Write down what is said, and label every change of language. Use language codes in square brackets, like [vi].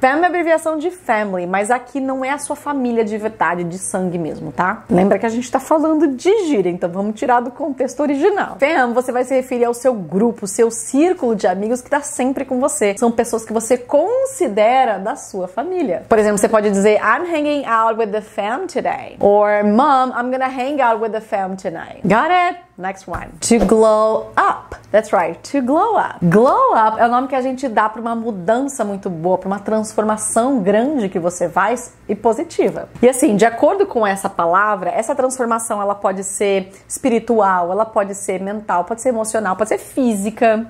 [pt] Fam é abreviação de family, mas aqui não é a sua família de verdade, de sangue mesmo, tá? Lembra que a gente tá falando de gíria, então vamos tirar do contexto original. Fam, você vai se referir ao seu grupo, seu círculo de amigos que tá sempre com você. São pessoas que você considera da sua família. Por exemplo, você pode dizer, [en] I'm hanging out with the fam today. Or, Mom, I'm gonna hang out with the fam tonight. Got it? Next one. To glow up. That's right. To glow up. [pt] Glow up é o nome que a gente dá pra uma mudança muito boa, pra uma transformação grande que você vai e positiva. E assim, de acordo com essa palavra, essa transformação, ela pode ser espiritual, ela pode ser mental, pode ser emocional, pode ser física.